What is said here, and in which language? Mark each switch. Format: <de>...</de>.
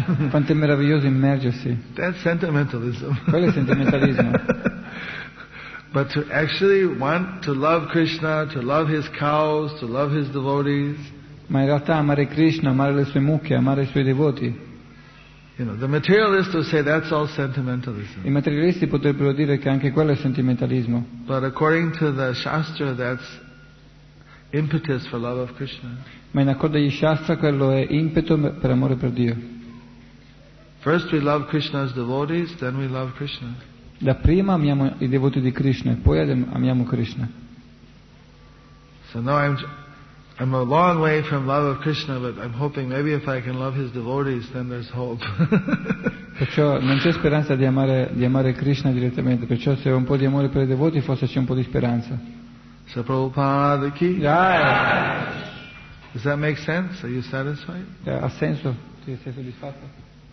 <it>Quanto è meraviglioso immergersi.</it> <en>That's sentimentalism.</en> <it>Quello è sentimentalismo.</it> <en>But to actually want to love Krishna, to love his cows, to love his devotees.</en> <it>Ma in realtà amare Krishna, amare le sue mucche, amare i suoi devoti.</it> <en>You know, the materialists would say that's all sentimentalism.</en> <it>I materialisti potrebbero dire che anche quello è sentimentalismo.</it> <en>But according to the Shastra, that's impetus for love of Krishna.</en> <it>Ma in accordo agli Shastra, quello è impeto per amore per Dio.</it> <en>First we love Krishna's devotees, then we love Krishna.</en> <it>Da prima amiamo i devoti di Krishna e poi amiamo Krishna.</it> <en>So now I'm a long way from love of Krishna, but I'm hoping maybe if I can love his devotees, then there's hope.</en> <it>Perciò non c'è speranza di amare Krishna direttamente. Perciò se ho un po' di amore per i devoti, forse c'è un po' di speranza.</it> <hi>So Prabhupada ki. Jai.</hi> <en>Does that make sense? Are you satisfied?</en> <it>Ha senso? Ti sei soddisfatto?</it>